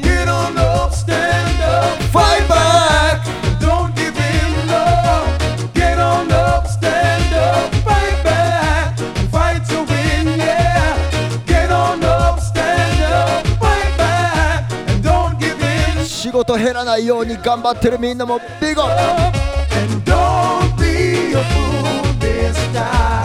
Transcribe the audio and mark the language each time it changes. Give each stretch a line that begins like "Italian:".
English: Get on up, stand up, fight back. Don't give in, no. Get on up, stand up, fight back. Fight to win, yeah. Get on up, stand up, fight back. And don't give in.
Japanese: 仕事減らないように頑張ってるみんなも
English: Big up. And don't be a fool this time.